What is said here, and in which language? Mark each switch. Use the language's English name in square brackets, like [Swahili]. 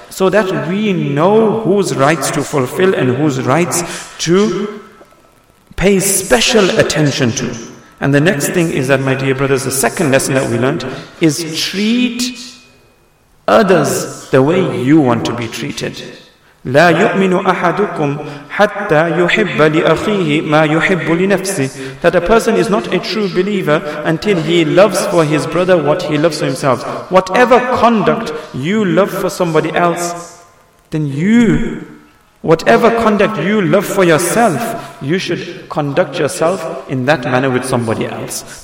[English] So that we know whose rights to fulfill and whose rights to pay special attention to. And the next thing is that, my dear brothers, the second lesson that we learned is treat others the way you want to be treated. [Arabic] لا يؤمن أحدكم حتى يحب لأخيه ما يحب لنفسه. [English] That a person is not a true believer until he loves for his brother what he loves for himself. Whatever conduct you love for somebody else, then you, whatever conduct you love for yourself, you should conduct yourself in that manner with somebody else.